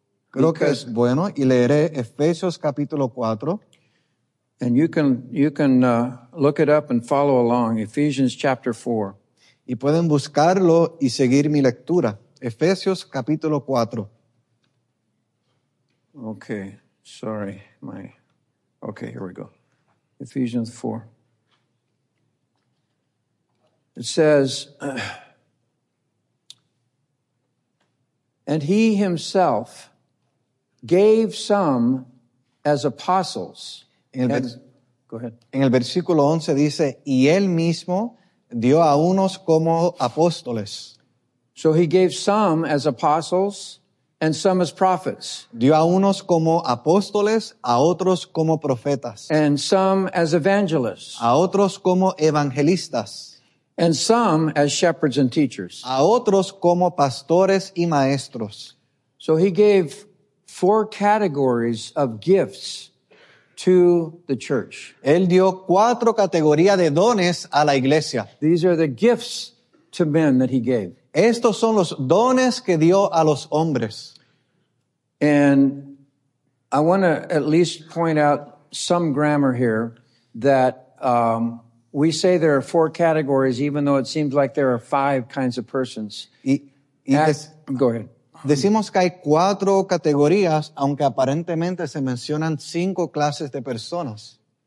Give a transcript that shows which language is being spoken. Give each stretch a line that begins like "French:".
Spanish: Creo que es bueno, y leeré Efesios capítulo 4.
English: And you can look it up and follow along, Ephesians chapter 4.
Spanish: Y pueden buscarlo y seguir mi lectura. Efesios capítulo 4.
English: Okay, sorry. Okay, here we go. Ephesians 4. It says, And he himself gave some as apostles.
Spanish: En el versículo 11 dice, y él mismo dio a unos como apóstoles.
English: So he gave some as apostles and some as prophets.
Spanish: Dio a unos como apóstoles, a otros como profetas.
English: And some as evangelists.
Spanish: A otros como evangelistas.
English: And some as shepherds and teachers.
Spanish: A otros como pastores y maestros.
English: So he gave four categories of gifts to the church.
Spanish: Él dio cuatro categorías de dones a la iglesia.
English: These are the gifts to men that he gave.
Spanish: Estos son los dones que dio a los hombres.
English: And I want to at least point out some grammar here that we say there are four categories, even though it seems like there are five kinds of persons. Go ahead.
Spanish: Decimos que hay cuatro categorías, aunque aparentemente se mencionan cinco clases de personas.